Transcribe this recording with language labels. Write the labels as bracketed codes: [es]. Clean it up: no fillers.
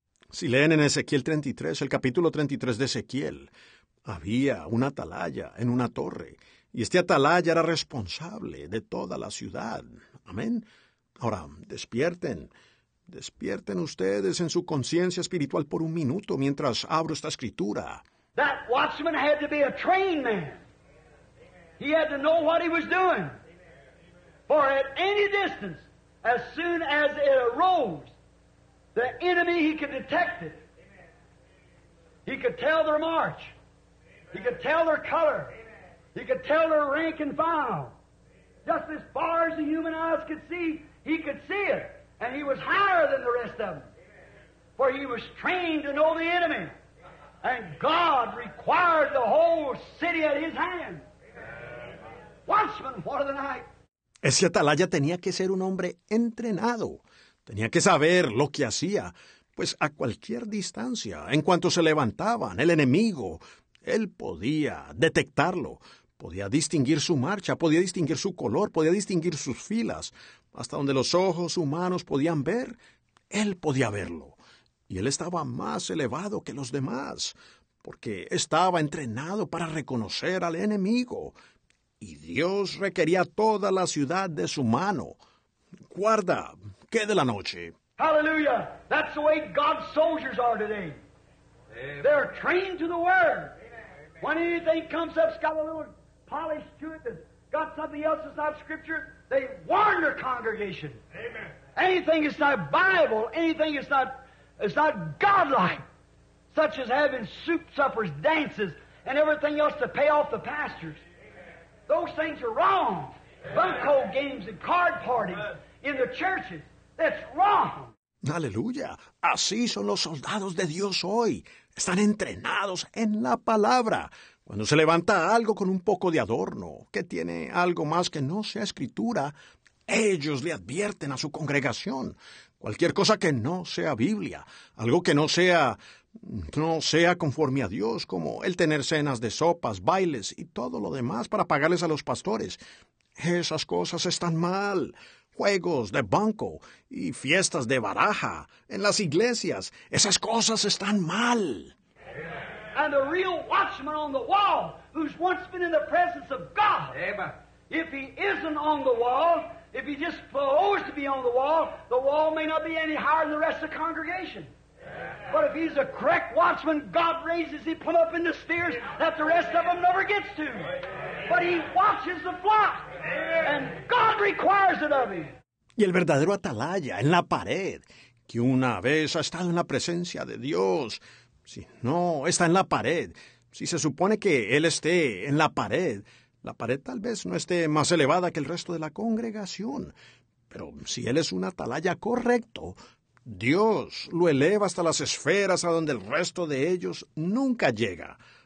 [es] Si leen en Ezequiel 33, el capítulo 33 de Ezequiel, había un atalaya en una torre, y este atalaya era responsable de toda la ciudad. Amén. Ahora, despierten. Despierten ustedes en su conciencia espiritual por un minuto mientras abro esta escritura. [en] That watchman had to be a trained man. He had to know what he was doing. For at any distance, as soon as it arose, the enemy he could detect it. He could tell their march. He could tell their color. He could tell their rank and file. Just as far as the human eyes could see, he could see it. And he was higher than the rest of them. For he was trained to know the enemy. And God required the whole city at his hand. Watchman for the night. [es] Ese atalaya tenía que ser un hombre entrenado. Tenía que saber lo que hacía. Pues a cualquier distancia, en cuanto se levantaban, el enemigo, él podía detectarlo. Podía distinguir su marcha, podía distinguir su color, podía distinguir sus filas. Hasta donde los ojos humanos podían ver, él podía verlo. Y él estaba más elevado que los demás. porque estaba entrenado para reconocer al enemigo. Y Dios requería toda la ciudad de su mano. Guarda, quede la noche. [en] Hallelujah. That's the way God's soldiers are today. They're trained to the word. When anything comes up, it's got a little polish to it, that's got something else that's not scripture, they warn their congregation. Amen. Anything that's not Bible, anything that's not godlike, such as having soup suppers, dances, and everything else to pay off the pastors. Amen. Those things are wrong. Bunko games and card parties in the churches. That's wrong. [es] Aleluya. Así son los soldados de Dios hoy. Están entrenados en la palabra. Cuando se levanta algo con un poco de adorno, que tiene algo más que no sea escritura, ellos le advierten a su congregación. Cualquier cosa que no sea Biblia, algo que no sea conforme a Dios, como el tener cenas de sopas, bailes y todo lo demás para pagarles a los pastores. Esas cosas están mal. Juegos de banco y fiestas de baraja en las iglesias. Esas cosas están mal. [en] And the real watchman on the wall, who's once been in the presence of God. Amen. If he isn't on the wall, if he just proposed to be on the wall may not be any higher than the rest of the congregation. Amen. But if he's a correct watchman, God raises him up in the spheres that the rest of them never gets to. Amen. But he watches the flock. Amen. And God requires it of him. [es] Y el verdadero atalaya en la pared, que una vez ha estado en la presencia de Dios. Si no está en la pared, si se supone que él esté en la pared tal vez no esté más elevada que el resto de la congregación. Pero si él es un atalaya correcto, Dios lo eleva hasta las esferas a donde el resto de ellos nunca llega.